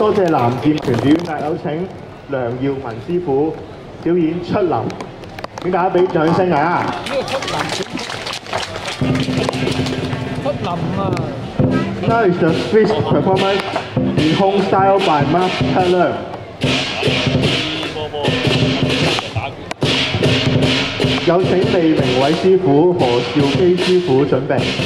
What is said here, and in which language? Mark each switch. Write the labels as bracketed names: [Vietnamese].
[Cantonese] 南劍拳表演，有請梁耀文師傅表演出林，請大家俾掌聲嚟啊！出林啊 [English] ！That is the first performance in Hong style by Master Lin。 [Cantonese] 有請李明偉師傅、何兆基師傅準備。